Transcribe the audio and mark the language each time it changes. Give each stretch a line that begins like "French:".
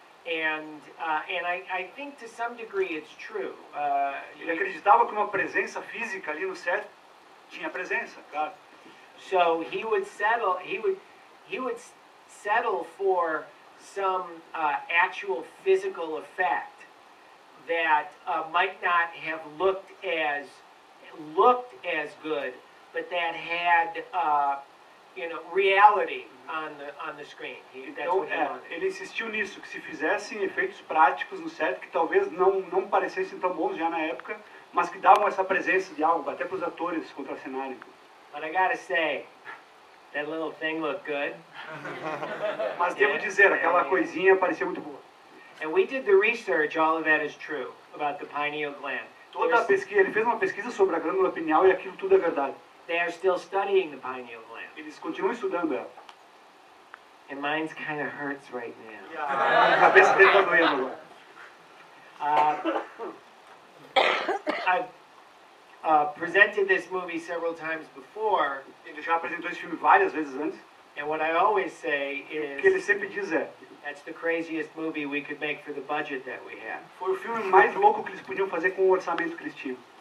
English: And I think to some degree it's true.
Portuguese: Ele acreditava que uma presença física ali no set tinha presença, claro.
English: So he would settle for some actual physical effect that might not have looked as good, but that had reality on the screen.
Portuguese: Ele insistiu nisso, que se fizessem efeitos práticos no set, que talvez não parecessem tão bons já na época, mas que davam essa presença de algo, até para os atores contra o cenário.
English: But I gotta say, that little thing looked good.
Portuguese: Mas devo dizer, aquela coisinha parecia muito boa.
English: And we did the research, all of that is true, about the pineal gland.
Portuguese: Toda a pesquisa, ele fez uma pesquisa sobre a glândula pineal e aquilo tudo é verdade.
English: They are still studying the pineal gland.
Portuguese: Eles continuam estudando ela.
English: And mine kind of hurts right now.
Portuguese: A cabeça dele está doendo agora.
English: I've presented this movie several times before.
Portuguese: Ele já apresentou esse filme várias vezes antes.
English: And what I always say is,
Portuguese: o que ele sempre diz é,
English: that's the craziest movie we could make for the budget that we had.
Portuguese: Foi o filme mais louco que eles podiam fazer com o orçamento que eles tinham.